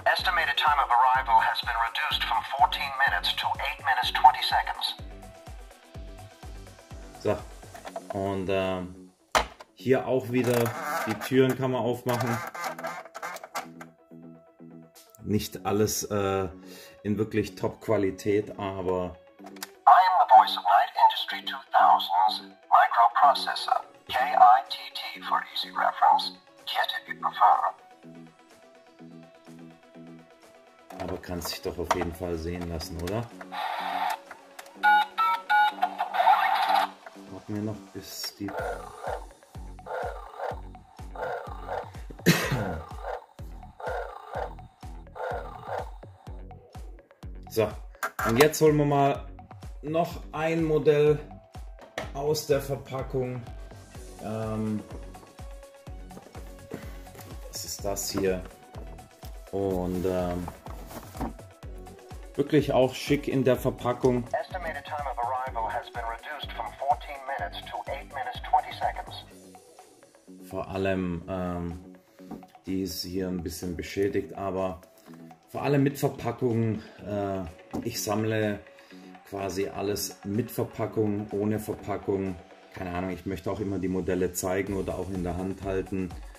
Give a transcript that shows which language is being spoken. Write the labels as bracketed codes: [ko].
[en] Estimated time of arrival has been reduced from 14 minutes to 8 minutes 20 seconds. [de] So, und hier auch wieder, die Türen kann man aufmachen. Nicht alles in wirklich Top-Qualität, aber... [en] I am the voice of Night Industry 2000's microprocessor, KITT for easy reference, KIT if you prefer. [de] Aber kann sich doch auf jeden Fall sehen lassen, oder? Warten wir noch, bis die... So, und jetzt holen wir mal noch ein Modell aus der Verpackung. Das ist das hier. Und wirklich auch schick in der Verpackung. [en] Estimated time of arrival has been reduced from 14 minutes to 8 minutes 20 seconds. [de] Vor allem, die ist hier ein bisschen beschädigt, aber... Vor allem mit Verpackung, ich sammle quasi alles mit Verpackung, ohne Verpackung. Keine Ahnung, ich möchte auch immer die Modelle zeigen oder auch in der Hand halten.